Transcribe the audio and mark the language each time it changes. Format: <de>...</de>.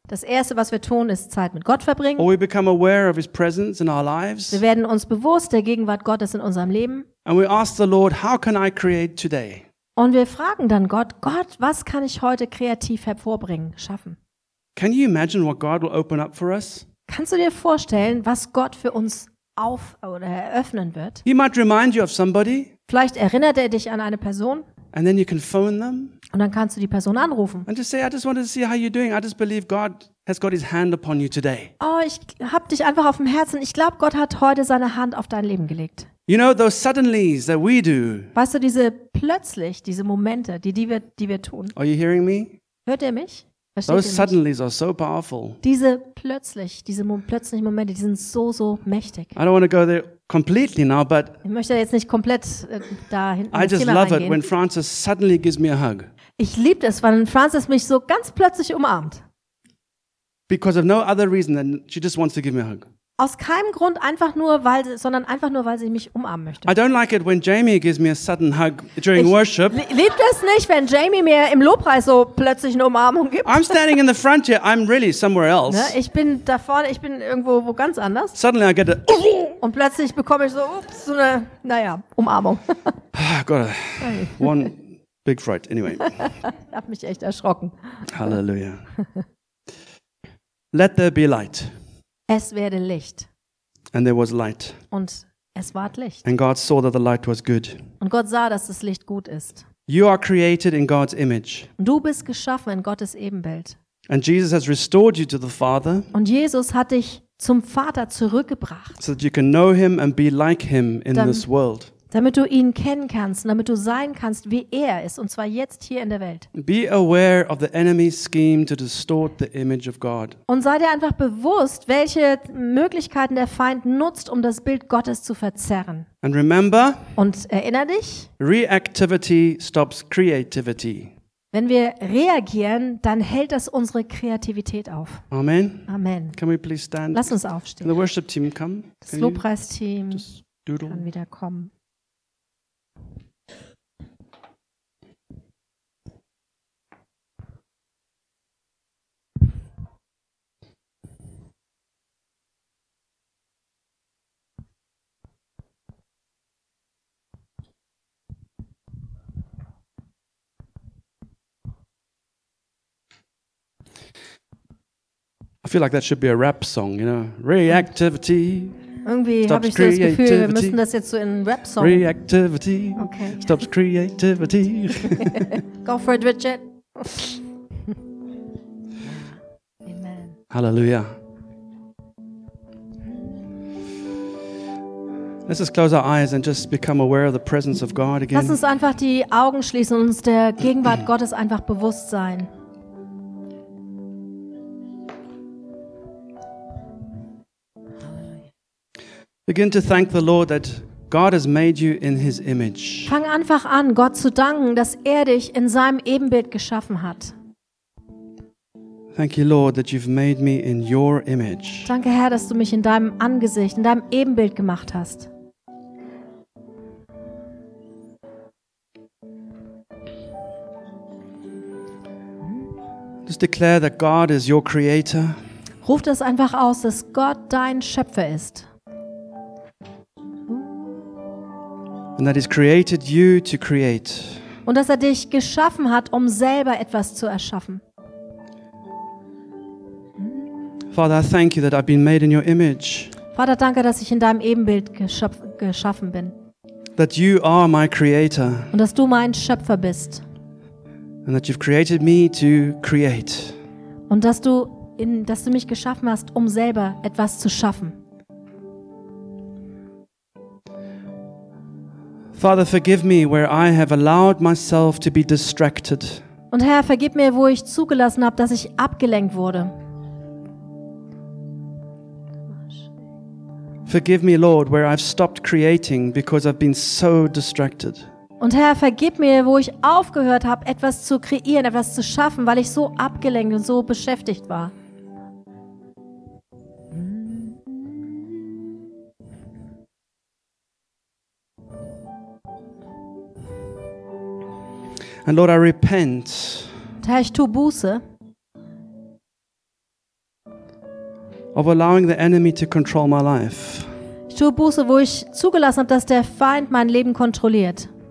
<de>Das erste, was wir tun, ist Zeit mit Gott verbringen.</de> <en>Or we become aware of his presence in our lives.</en> <de>Wir werden uns bewusst der Gegenwart Gottes in unserem Leben.</de> <en>And we ask the Lord, how can I create today?</en> <de>Und wir fragen dann Gott, Gott, was kann ich heute kreativ hervorbringen, schaffen?</de> <en>Can you imagine what God will open up for us?</en> <de>Kannst du dir vorstellen, was Gott für uns auf oder eröffnen wird?</de> <en>He might remind you of somebody.</en> <de>Vielleicht erinnert er dich an eine Person.</de> <en>And then you can phone them.</en> <de>Und dann kannst du die Person anrufen.</de> <en>And just say, I just wanted to see how you're doing. I just believe God has got his hand upon you today.</en> <de>Oh, ich hab dich einfach auf dem Herzen. Ich glaube, Gott hat heute seine Hand auf dein Leben gelegt.</de> <en>You know those suddenlies that we do.</en> <de>Weißt du diese plötzlich diese Momente, die wir tun?</de> <en>Are you hearing me?</en> <de>Hört ihr mich? Versteht</de> <en>those</en> <de>ihr mich?</de> <en>Suddenlies are so powerful.</en> <de>Diese plötzlichen Momente, die sind so so mächtig.</de> <en>I don't want to go there completely now, but</en> <de>ich möchte jetzt nicht komplett da hinten reingehen.</de> <en>I just love</en> <de>reingehen.</de> <en>It when Francis suddenly gives me a hug.</en> <de>Ich liebe es, wenn Francis mich so ganz plötzlich umarmt.</de> <en>Because of no other reason than she just wants to give me a hug.</en> <de>Aus keinem Grund einfach nur weil sondern einfach nur weil sie mich umarmen möchte.</de> <en>I don't like it when Jamie gives me a sudden hug during</en> <de>ich</de> <en>worship.</en> <de>Liebt es nicht, wenn Jamie mir im Lobpreis so plötzlich eine Umarmung gibt.</de> <en>I'm standing in the front here, I'm really somewhere else.</en> <de>Ne? Ich bin da vorne, ich bin irgendwo wo ganz anders.</de> <en>Suddenly I get a</en> <de>und plötzlich bekomme ich so ups so eine naja, Umarmung.</de> <en>Got a one big fright anyway.</en> <de>Ich hab mich echt erschrocken.</de> <en>Halleluja. Let there be light.</en> <de>Es werde Licht.</de> <en>And there was light.</en> <de>Und es ward Licht.</de> <en>And God saw that the light was good.</en> <de>Und Gott sah, dass das Licht gut ist.</de> <en>You are created in God's image.</en> <de>Und du bist geschaffen in Gottes Ebenbild.</de> <en>And Jesus has restored you to the Father.</en> <de>Und Jesus hat dich zum Vater zurückgebracht.</de> <en>So that you can know him and be like him in this world.</en> <de>Damit du ihn kennen kannst, damit du sein kannst, wie er ist, und zwar jetzt hier in der Welt.</de> <en>Be aware of the enemy's scheme to distort the image of God.</en> <de>Und sei dir einfach bewusst, welche Möglichkeiten der Feind nutzt, um das Bild Gottes zu verzerren.</de> <en>And remember,</en> <de>und erinnere dich,</de> <en>reactivity stops creativity.</en> <de>Wenn wir reagieren, dann hält das unsere Kreativität auf.</de> <en>Amen.</en> <de>Amen.</de> <en>Can we please stand?</en> <de>Lass uns aufstehen.</de> <en>Can the worship team come?</en> <de>Das Lobpreisteam kann wieder kommen.</de> <en>I feel like that should be a rap song, you know. Reactivity.</en> <de>Irgendwie habe ich so das Gefühl, wir müssen das jetzt so in Rap Song.</de> <en>Reactivity. Okay. Stops creativity. Go for it, Richard. Amen. Hallelujah. Let's just close our eyes and just become aware of the presence of God again.</en> <de>Lass uns einfach die Augen schließen und uns der Gegenwart Gottes einfach bewusst sein.</de> <en>Begin to thank the Lord that God has made you in his image.</en> <de>Fang einfach an, Gott zu danken, dass er dich in seinem Ebenbild geschaffen hat.</de> <en>Thank you, Lord, that you've made me in your image.</en> <de>Danke, Herr, dass du mich in deinem Angesicht, in deinem Ebenbild gemacht hast.</de> <en>Just declare that God is your creator.</en> <de>Ruf das einfach aus, dass Gott dein Schöpfer ist.</de> <en>And that he's created you to create.</en> <de>Und dass er dich geschaffen hat, um selber etwas zu erschaffen.</de> <en>Father, I thank you that I've been made in your image.</en> <de>Vater, danke, dass ich in deinem Ebenbild geschaffen bin.</de> <en>That you are my creator.</en> <de>Und dass du mein Schöpfer bist.</de> <en>And that you've created me to create.</en> <de>Und dass du mich geschaffen hast, um selber etwas zu schaffen.</de> <en>Father, forgive me where I have allowed myself to be distracted.</en> <de>Und Herr, vergib mir, wo ich zugelassen habe, dass ich abgelenkt wurde.</de> <en>Forgive me, Lord, where I've stopped creating because I've been so distracted.</en> <de>Und Herr, vergib mir, wo ich aufgehört habe, etwas zu kreieren, etwas zu schaffen, weil ich so abgelenkt und so beschäftigt war.</de> <en>And Lord, I repent.</en> <de>Und Herr, ich tue Buße.</de> <en>Of allowing the enemy to control my life.</en> <de>Ich tue Buße, wo ich zugelassen habe, dass der Feind mein Leben kontrolliert.</de>